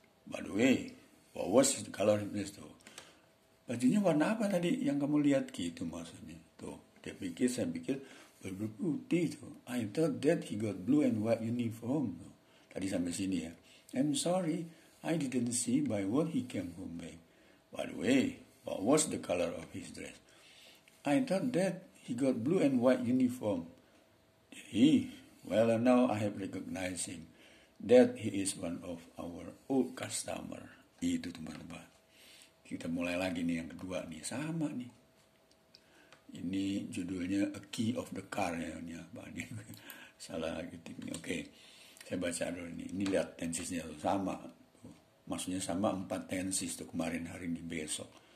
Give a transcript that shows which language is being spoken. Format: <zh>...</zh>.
<en>By the way, what was the color of this tuh?</en> <id>Bajunya warna apa tadi yang kamu lihat gitu maksudnya? Tuh, dia pikir, saya pikir berbulu putih tuh.</id> <en>I thought that he got blue and white uniform tuh.</en> <id>Tadi sampai sini ya.</id> <en>I'm sorry, I didn't see by what he came home back. By the way, what was the color of his dress? I thought that he got blue and white uniform. Did he? Well, now I have recognized him. That he is one of our old customer.</en> <id>Itu teman-teman. Kita mulai lagi nih yang kedua nih. Sama nih. Ini judulnya A Key of the Car ya. Ini apa nih? Salah gitu nih. Oke. Saya baca dulu nih. Ini lihat tensesnya tuh. Sama. Maksudnya sama 4 tenses tuh kemarin hari ini besok.</id>